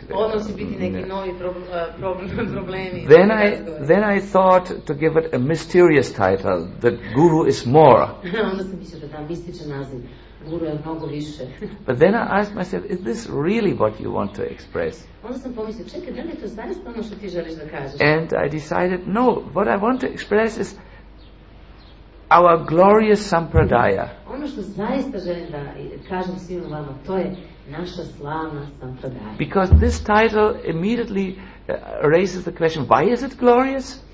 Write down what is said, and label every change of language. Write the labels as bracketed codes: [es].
[sr] Ono će biti neki novi problemi. [en] Then I thought to give it a mysterious title, the Guru is more. [sr] Onda sam mislio da dam mističan naziv. Guru je mnogo više. [en] But then I asked myself, is this really what you want to express? [sr] Onda sam pomislio, čekaj, da li je to zaista ono što ti želiš da kažeš? [en] And I decided, no, what I want to express is our glorious sampradaya. [sr] Ono što zaista želim da kažem svima vama, to je naša slavna sampradaya. [en] Because this title immediately raises the question, why is it glorious?